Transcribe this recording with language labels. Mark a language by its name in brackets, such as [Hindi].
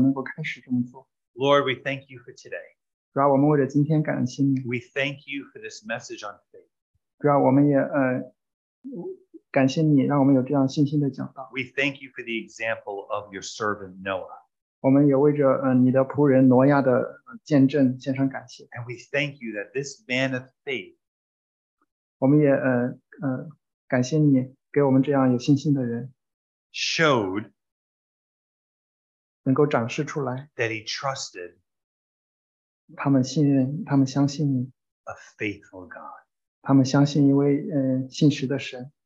[Chinese] 主啊，你也说让我们到天下去传扬你的福音。主啊，你原谅我们还没有这么做，也求你让我们能够开始这么做。 [English] Lord, we thank you for today. [Chinese] 主啊，我们为着今天感谢你。 [English] We thank you for this message on faith. [Chinese] 主啊，我们也感谢你让我们有这样信心的讲道。 [English] We thank you for the example of your servant Noah. [Chinese] 我们也为着你的仆人挪亚的见证献上感谢。 [English] And we thank you that this man of faith. [Chinese] 感谢你给我们这样有信心的人 [English] showed [Chinese] 能够展示出来 [English] that he trusted [Chinese] 他们信任他们相信你 [English] a faithful God [Chinese] 他们相信一位信实的神